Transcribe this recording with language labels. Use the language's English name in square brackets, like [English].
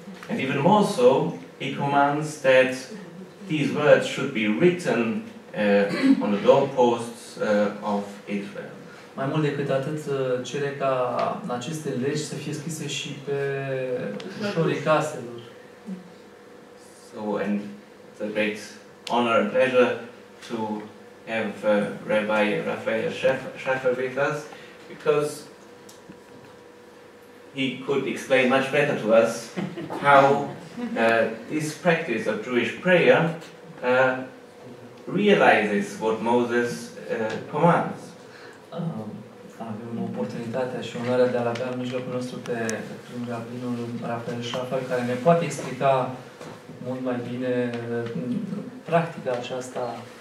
[English] And even more so, he commands that these words should be written on the doorposts of Israel. [Romanian] Mai mult decât atât, cere ca aceste legi să fie scrise și pe ușorii caselor. [English] So, and it's a great honor and pleasure to have Rabbi Raphael Schaffer with us, because he could explain much better to us how this practice of Jewish prayer realizes what Moses commands. [Romanian] Avem oportunitatea și onoarea de a-l avea în mijlocul nostru pe primul rabinul Raphael Schaffer, care ne poate explica mult mai bine practica aceasta